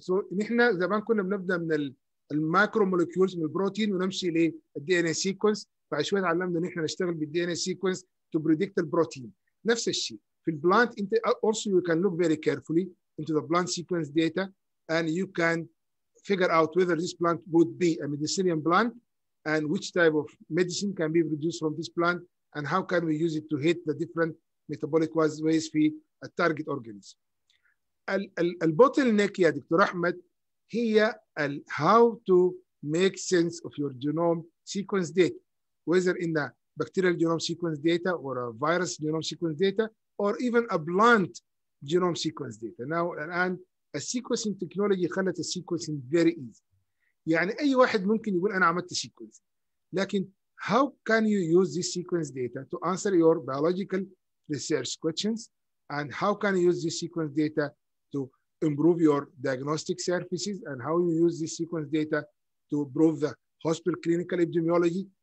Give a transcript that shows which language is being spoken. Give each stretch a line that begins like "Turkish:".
Arabic: So نحن زمان كنا بنبدأ من الماكرو مولكيولز من البروتين ونمشي للدي ان اي سيكونس، بعد شوية تعلمنا نحن نشتغل بالدي ان اي سيكونس to predict the protein.
English: نفس الشيء في البلانت، انت also you can look very carefully into the plant sequence data and you can figure out whether this plant would be a medicinal plant and which type of medicine can be produced from this plant and how can we use it to hit the different metabolic ways في التارجت organs. البوتلنيك يا doctor أحمد هي ال how to make sense of your genome sequence data, whether in the bacterial genome sequence data or a virus genome sequence data or even a blunt genome sequence data. Now, الآن a sequencing technology خلت the sequencing very easy.
Arabic: يعني أي واحد ممكن يقول أنا عملت sequence.
English: لكن how can you use this sequence data to answer your biological research questions? And how can you use this sequence data to improve your diagnostic services? And how you use this sequence data to prove the hospital clinical epidemiology?